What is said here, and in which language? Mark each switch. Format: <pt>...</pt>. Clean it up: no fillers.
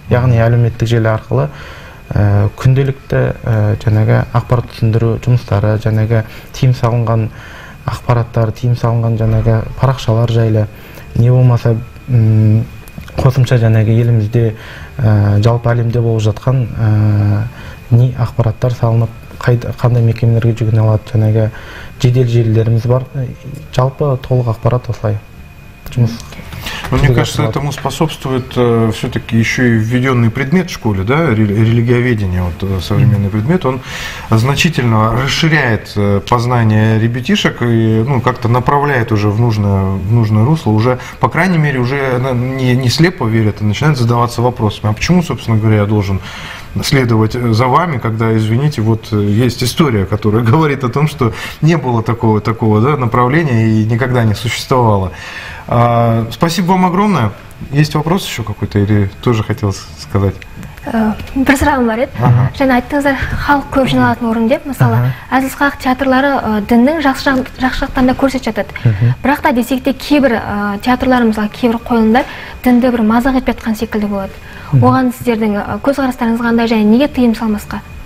<kk>Яғни әлеуметтік желі арқылы күнделікті жаңағы ақпарат түсіндіру жұмыстары, жаңағы тим салынған ақпараттар, тим салынған жаңағы парақшалар жайлы, не болмаса қосымша жаңағы елімізде жалпы әлемде болып жатқан не ақпараттар салынып, қандай мекемелерге жүгіне алады, жаңағы жедел желілеріміз бар. Жалпы толық ақпарат осылай</kk> <ru>Мне кажется, этому способствует все-таки еще и введенный предмет в школе, да, религиоведение, вот современный предмет, он значительно расширяет познание ребятишек и, ну, как-то направляет уже в нужное русло, уже, по крайней мере, уже не слепо верят, а начинают задаваться вопросами, а почему, собственно говоря, я должен следовать за вами, когда, извините, вот есть история, которая говорит о том, что не было такого да, направления и никогда не существовало. Спасибо вам огромное. Есть вопрос еще какой-то или тоже хотелось сказать?</ru> <kk>Бір сұрағым бар еді. Жаңа айттыңыздар, халық көп жиналатын орын деп, мысалы, әзіл-сықақ театрлары діннің жақсы жақтарында көрсетіп жатады. Бірақ та десек те, кейбір театрларымызға, кейбір қойылымдар дінді бір мазақ етіп жатқан секілді болады. Оған сіздердің көзқарастарыңыз қандай және неге тыйым салмасқа?</kk>